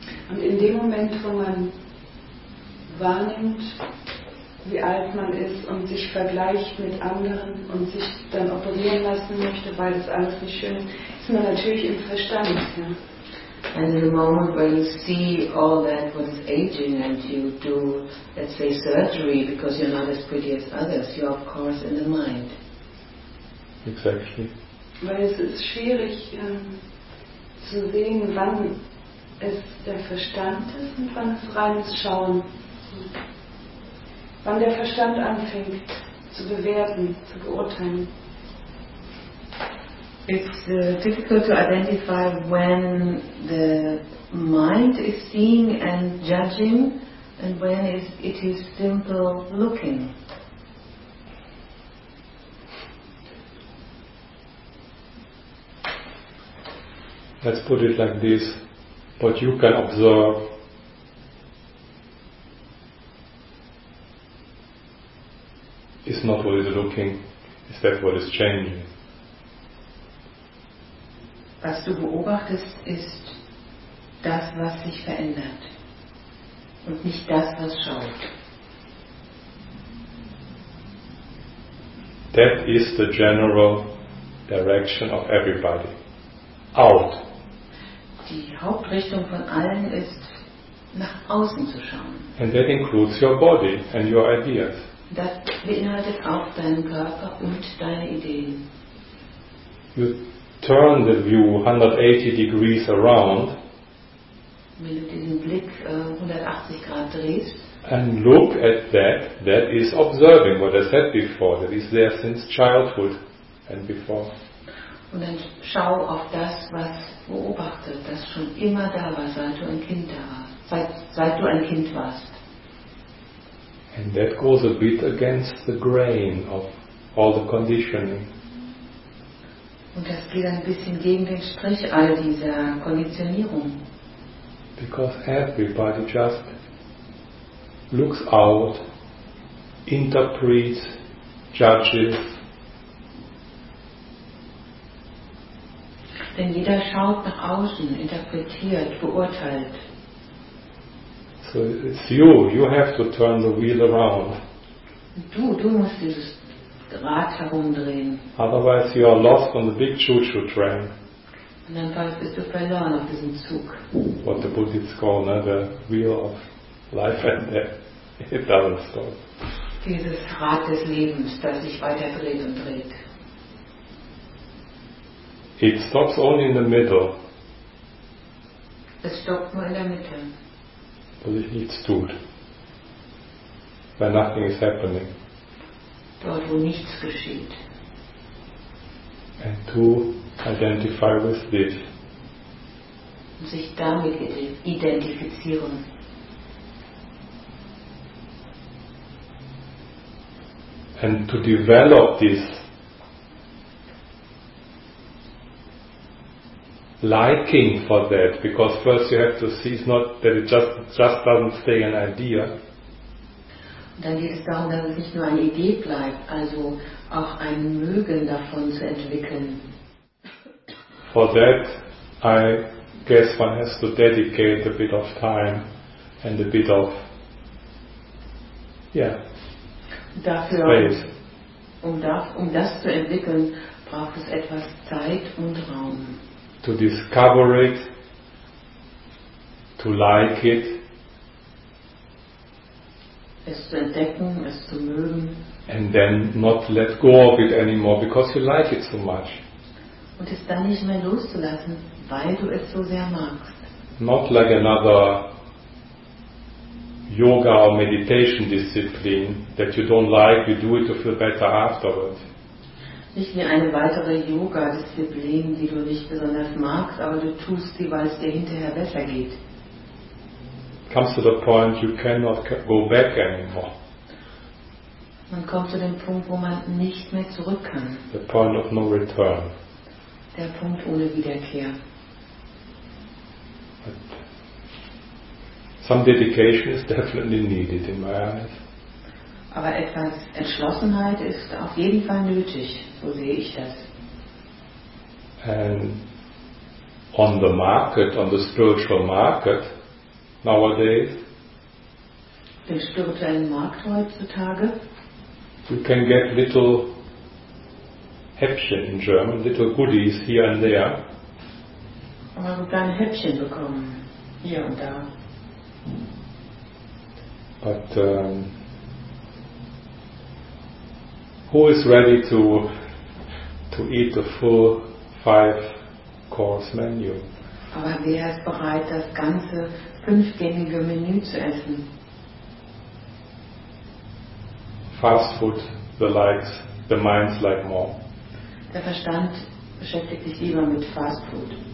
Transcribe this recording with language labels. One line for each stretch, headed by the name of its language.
German: Und in dem Moment, wo man wahrnimmt, wie alt man ist und sich vergleicht mit anderen und sich dann operieren lassen möchte, weil das alles nicht schön ist, ist man natürlich im Verstand. Ja.
English: And in the moment where you see all that what is aging and you do, let's say, surgery because you're not as pretty as others, you're of course in the mind. Exactly.
German: Weil es ist schwierig zu sehen, wann es der Verstand ist und wann es reines Schauen ist. Wann der Verstand anfängt zu bewerten, zu beurteilen.
English: It's difficult to identify when the mind is seeing and judging and when it is simple looking. Let's put it like this. What you can observe is not what is looking, is that what is changing.
German: Was du beobachtest, ist das, was sich verändert und nicht das, was schaut.
English: That is the general direction of everybody. Out.
German: Die Hauptrichtung von allen ist, nach außen zu schauen.
English: And that includes your body and your ideas.
German: Das beinhaltet auch deinen Körper und deine Ideen.
English: You turn the view 180 degrees around.
German: Wenn du diesen Blick 180 Grad drehst.
English: And look at that. That is observing what I said before. That is there since childhood and before.
German: Und dann schau auf das, was beobachtet, das schon immer da war, seit du ein Kind warst.
English: And that goes a bit against the grain of all the conditioning.
German: Und das geht ein bisschen gegen den Strich all dieser Konditionierung.
English: Because everybody just looks out, interprets, judges.
German: Denn jeder schaut nach außen, interpretiert, beurteilt.
English: So it's you. You have to turn the wheel around.
German: Du musst dieses Rad herumdrehen.
English: Otherwise you are lost on the big choo-choo train.
German: Und dann bist du verloren auf diesem Zug.
English: What the Buddhists call, the wheel of life and death. It doesn't stop.
German: Dieses Rad des Lebens, das sich weiter dreht und dreht.
English: It stops only in the middle.
German: Es stoppt nur in der Mitte. Wo sich nichts tut.
English: Where nothing is happening.
German: Dort, wo nichts geschieht.
English: And to identify with this.
German: Und sich damit identifizieren.
English: And to develop this liking for that, because first you have to see it's not that it just doesn't stay an idea.
German: Dann geht es darum, dass es nicht nur eine Idee bleibt, also auch ein Mögen davon zu entwickeln.
English: For that, I guess one has to dedicate a bit of time and a bit of,
German: dafür,
English: space.
German: Um das zu entwickeln, braucht es etwas Zeit und Raum.
English: To discover it, to like it,
German: es zu entdecken, es zu mögen.
English: And then not let go of it anymore because you like it so much.
German: Und es dann nicht mehr loszulassen, weil du es so sehr magst.
English: Not like another yoga or meditation discipline that you don't like, you do it to feel better afterwards.
German: nicht wie eine weitere Yoga-Disziplin, die du nicht besonders magst, aber du tust sie, weil es dir hinterher besser geht.
English: Comes to the point you cannot go back anymore.
German: Man kommt zu dem Punkt, wo man nicht mehr zurück kann.
English: The point of no return.
German: Der Punkt ohne Wiederkehr.
English: But some dedication is definitely needed in my eyes.
German: Aber etwas Entschlossenheit ist auf jeden Fall nötig, so sehe ich das.
English: And on the market, on the spiritual market nowadays,
German: den spirituellen Markt heutzutage,
English: you can get little Häppchen in German, little goodies here and there.
German: Man kann kleine Häppchen bekommen, hier und da.
English: But who is ready to eat the full 5-course menu?
German: Aber wer ist bereit, das ganze 5-gängige Menü zu essen?
English: Fast food, the minds like more.
German: Der Verstand beschäftigt sich lieber mit Fast Food.